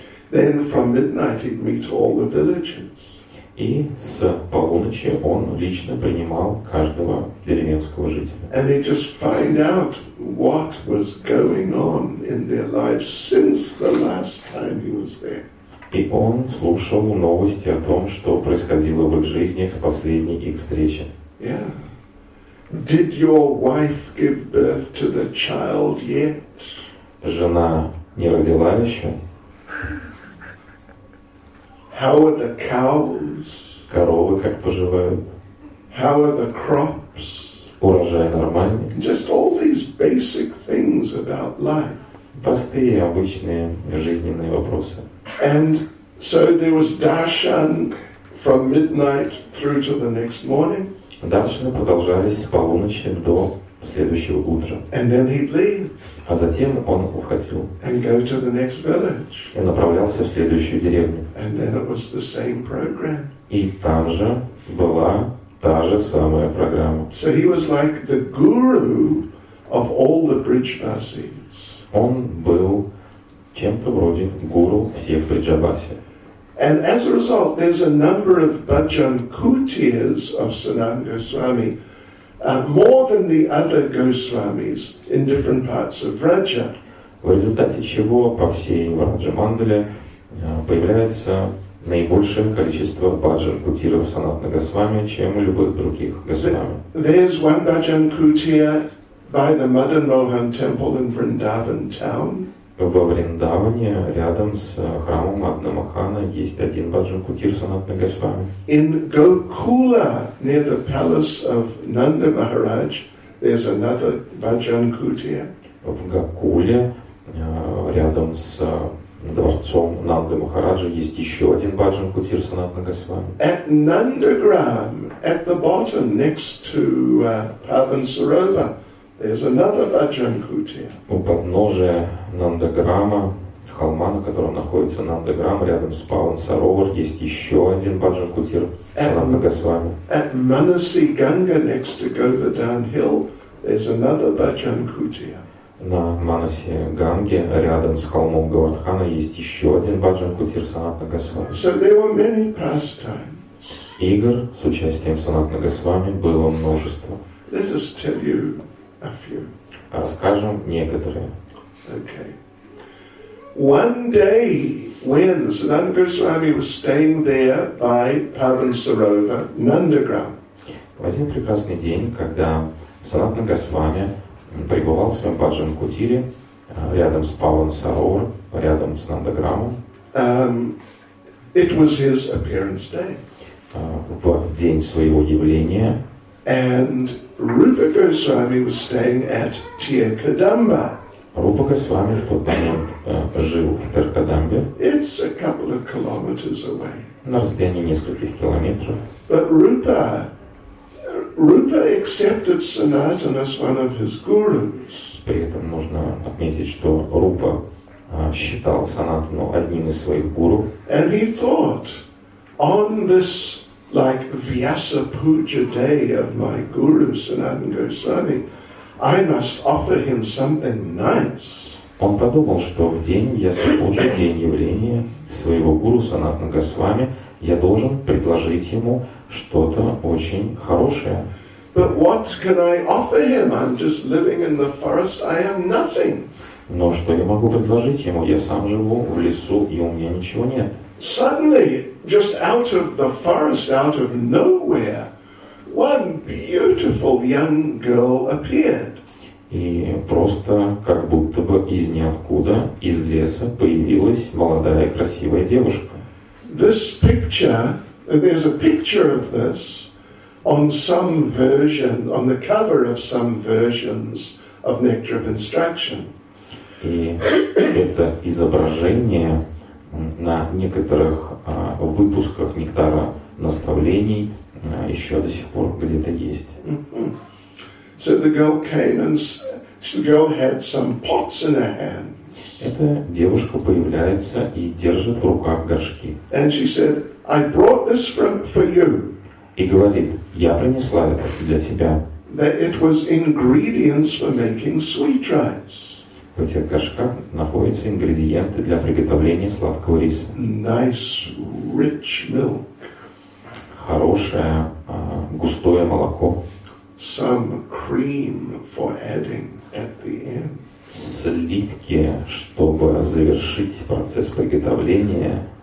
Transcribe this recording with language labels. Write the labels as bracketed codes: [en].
[en] Then from midnight he'd meet all the villagers. [ru] И с полуночи он лично принимал каждого деревенского жителя. [en] And he just find out what was going on in their lives since the last time he was there. [ru] И он слушал новости о том, что происходило в их жизнях с последней их встречи. Yeah. [en] Did your wife give birth to the child yet? [ru] Жена не родила еще? [en] How are the cows? [ru] Коровы как поживают? [en] How are the crops? [ru] Урожай нормальный? [en] Just all these basic things about life. [ru] Простые, обычные жизненные вопросы. [en] And so there was darshan from midnight through to the next morning. [ru] Даршаны продолжались с полуночи до следующего утра. [en] And then he'd leave. [ru] А затем он уходил. [en] And go to the next village. [ru] И направлялся в следующую деревню. [en] And then it was the same program. [ru] И там же была та же самая программа. [en] So he was like the guru of all the Bridgevasis. [ru] Он был чем-то вроде гуру всех Бриджаваси. [en] And as a result, there's a number of Bhajan Kutias of Sananda Goswami. More than the other Goswamis in different parts of Raja. [ru] В результате чего по всей Раджа-мандале появляется наибольшее количество баджан-кутиров санатных госвами, чем у любых других госвами. [en] There's one баджан-кутия by the Madan Mohan temple in Vrindavan town. [ru] Во Вриндаване рядом с храмом Мадна-Махана есть один баджан-кутир санатных госвами. [en] In Gokula, near the palace of Nanda Maharaj, there's another баджан-кутия. [ru] В Гокуле, рядом с дворцом Нанды Махараджа, есть еще один баджан-кутир санатных госвами. [en] At Nandagram, at the bottom, next to Pavan Sarovar. There's another Bhajan Kutia. [ru] У подножия Нандаграма, в холма, на котором находится Нандаграм, рядом с Паван Саровар, есть еще один Бхаджан Кутир Сананда Госвами. [en] At Manasi Ganga, next to Govardhan Hill, there's another Bhajan Kutia. [ru] На Манаси Ганге, рядом с холмом Говардхана, есть еще один Бхаджан Кутир Сананда Госвами. [en] So there were many pastimes. [ru] Игр с участием Сананда Госвами было множество. [en] Let us tell you a few. [ru] Расскажем некоторые. Okay. [en] One day when Sananda Goswami was staying there by Pavan Sarovar, Nandagram. [ru] В один прекрасный день, когда Сананда Госвами пребывал в своем баджан кутире рядом с Паван Саровар, рядом с Нандаграмом. [en] It was his appearance day. [ru] В день своего явления. [en] And Rupa Goswami was staying at Tir Kadamba. [ru] Rupa Goswami в тот момент жил в Tir Kadamba. [en] It's a couple of kilometers away. [ru] На расстоянии нескольких километров. [en] But Rupa accepted Sanatan as one of his gurus. [ru] При этом нужно отметить, что Rupa считал Санатану одним из своих гуру. [en] And he thought on this like Vyasa Puja day of my guru Sananda Goswami, I must offer him something nice. [ru] Он подумал, что в день Vyasa Puja, день явления своего гуру Санатана Госвами, я должен предложить ему что-то очень хорошее. [en] But what can I offer him? I'm just living in the forest. I am nothing. [ru] Но что я могу предложить ему? Я сам живу в лесу, и у меня ничего нет. [en] Suddenly, just out of the forest, out of nowhere, one beautiful young girl appeared. [ru] И просто, как будто бы из ниоткуда, из леса появилась молодая красивая девушка. [en] This picture, there's a picture of this on some version, on the cover of some versions of Nectar of Instruction. [ru] И это изображение на некоторых выпусках Нектара Наставлений еще до сих пор где-то есть. Mm-hmm. [en] So the girl came and the girl had some pots in her hand. [ru] Эта девушка появляется и держит в руках горшки. [en] And she said, I brought this for you. [ru] И говорит, я принесла это для тебя. [en] That it was ingredients for making sweet rice. [ru] В этих горшках находятся ингредиенты для приготовления сладкого риса. [en] Nice, rich milk. [ru] Хорошее, густое молоко. [en] Some cream for adding at the end. [ru] Сливки, чтобы завершить процесс приготовления.